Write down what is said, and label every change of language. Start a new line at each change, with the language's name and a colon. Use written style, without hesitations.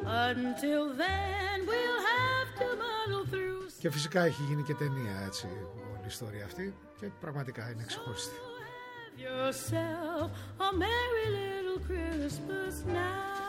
English: Until then we'll have to muddle through.
Greek: Και φυσικά έχει γίνει και ταινία έτσι όλη η ιστορία αυτή και πραγματικά είναι ξεχωριστή.
English: Have yourself a merry little Christmas now.